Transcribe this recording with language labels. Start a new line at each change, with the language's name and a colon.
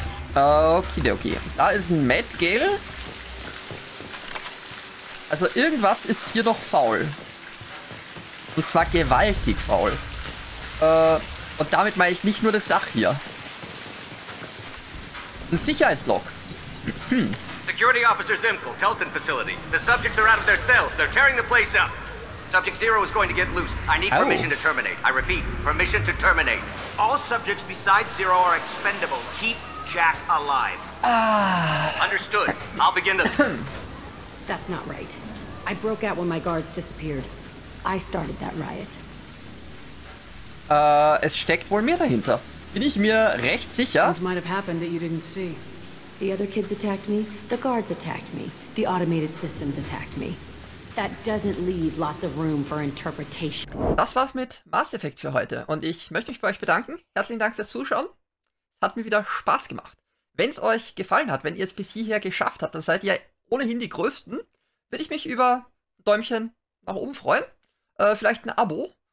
German: Okay. Da ist ein Mad Gale. Also irgendwas ist hier doch faul. Und zwar gewaltig faul. Und damit meine ich nicht nur das Dach hier. Ein Sicherheitslock.
English: Security Officer Zimkel, Telton Facility. The subjects are out of their cells. They're tearing the place up. Subject Zero is going to get loose. I need permission to terminate. I repeat, permission to terminate. All subjects besides Zero are expendable. Keep Jack alive. Understood. I'll begin the... That's not right. I broke out when my guards disappeared. I started that riot.
German: Es steckt wohl mehr dahinter. Bin ich mir recht sicher?
English: Things might have happened that you didn't see. The other kids attacked me, the guards attacked me, the automated systems attacked me. That doesn't leave lots of room for interpretation.
German: Das war's mit Mass Effect für heute und ich möchte mich bei euch bedanken. Herzlichen Dank fürs Zuschauen. Hat mir wieder Spaß gemacht. Wenn es euch gefallen hat, wenn ihr es bis hierher geschafft habt, dann seid ihr ohnehin die Größten. Würde ich mich über ein Däumchen nach oben freuen, vielleicht ein Abo.